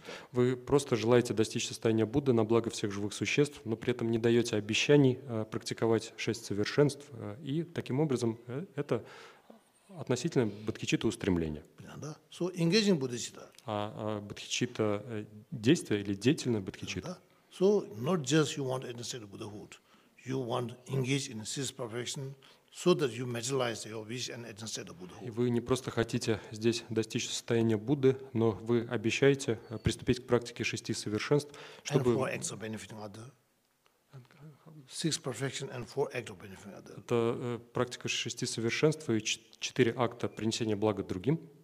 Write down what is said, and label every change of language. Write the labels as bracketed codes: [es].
[ru] Вы просто желаете достичь состояния Будды на благо всех живых существ, но при этом не даете обещаний практиковать шесть совершенств, и таким образом это относительно бодхичитта устремления. [en] So, engaging bodhicitta. [ru] А бодхичитта действия или деятельная бодхичитта? [en] So, not just you want to understand the Buddhahood, you want to engage in six perfection. So that you materialize your wish and understand the Buddha. [ru] И вы не просто хотите здесь достичь состояния Будды, но вы обещаете приступить к практике шести совершенств, чтобы. [en] And four acts of benefiting other. Six perfection and four acts of benefiting other. [ru] Это практика шести совершенств и четыре акта принесения блага другим.